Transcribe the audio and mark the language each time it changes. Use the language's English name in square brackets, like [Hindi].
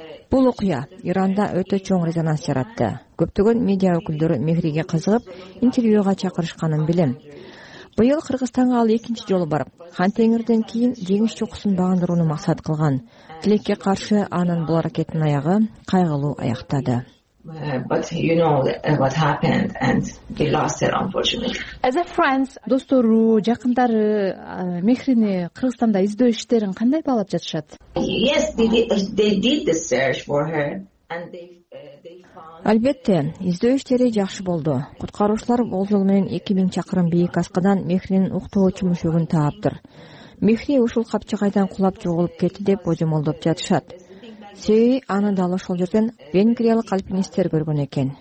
[Kyrgyz] Бул окуя Иранда өтө чоң резонанс жаратты. Көптөгөн медиа өкүлдөрү Мехриге кызыгып, интервьюга чакырышканын билем. Быйыл Кыргызстанга ал экинчи жолу барып, Хан Теңирден кийин жеңиш чокусун багындырууну максат кылган. Тилекке каршы анын бул аракетин аягы кайгылуу аяктады. [English] But you know what happened and they lost it unfortunately. As a friend, [Kyrgyz] достору, жакындары Мехрини Кыргызстанда издөө иштерин кандай баалап жатышат? [English] Yes, they did the search for her and they found. [Kyrgyz] Албетте, издөө иштери жакшы болду. Куткаруучулар болжол менен 2000 чакырым бийик аскадан Мехринин уктоочу мүшүгүн тааптыр. Мехри ушул капчыгайдан кулап жоголуп кетти деп божомолдоп жатышат. Себеби аны дал ошол жерден венгриялык альпинисттер көргөн экен.